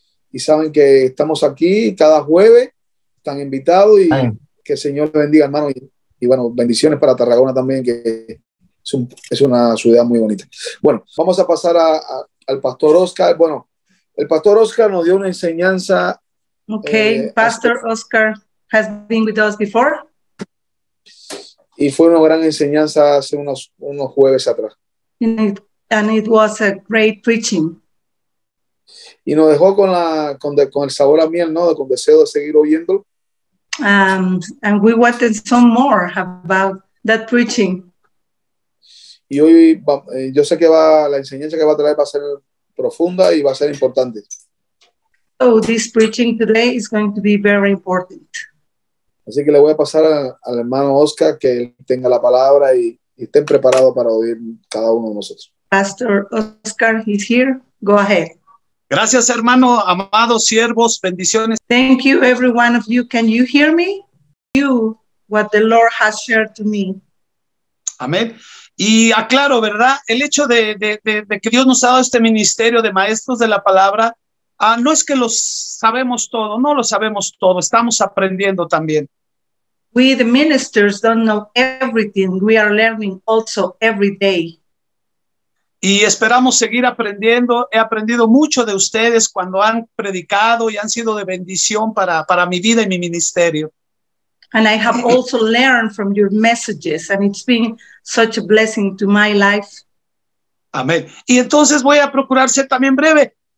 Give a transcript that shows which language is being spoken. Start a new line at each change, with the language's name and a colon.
Spanish: Y saben que estamos aquí cada jueves, están invitados y que el Señor les bendiga, hermano. Y bueno, bendiciones para Tarragona también, que es una ciudad muy bonita. Bueno, vamos a pasar al Pastor Oscar. Bueno, el Pastor Oscar nos dio una enseñanza.
English: Ok, Pastor Oscar has been with us before.
Spanish: Y fue una gran enseñanza hace unos jueves atrás.
English: And it was a great preaching.
Spanish: Y nos dejó con el sabor a miel, ¿no? Con deseo de seguir oyendo.
English: And we wanted some more about that preaching.
Spanish: Y hoy yo sé que la enseñanza que va a traer va a ser profunda y va a ser importante.
English: Oh, this preaching today is going to be very important.
Spanish: Así que le voy a pasar al hermano Oscar que él tenga la palabra y estén preparados para oír cada uno de nosotros.
English: Pastor Oscar is here. Go ahead.
Spanish: Gracias, hermano. Amados siervos, bendiciones.
English: Thank you, every one of you. Can you hear me? You, what the Lord has shared to me.
Spanish: Amén. Y aclaro, ¿verdad? El hecho de que Dios nos ha dado este ministerio de maestros de la palabra. No es que lo sabemos todo, no lo sabemos todo, estamos aprendiendo también.
English: We the ministers don't know everything, we are learning also every day.
Spanish: Y esperamos seguir aprendiendo, he aprendido mucho de ustedes cuando han predicado y han sido de bendición para mi vida y mi ministerio.
English: And I have also learned from your messages and it's been such a blessing to my life.
Spanish: Amén. Y entonces voy a procurar ser también breve.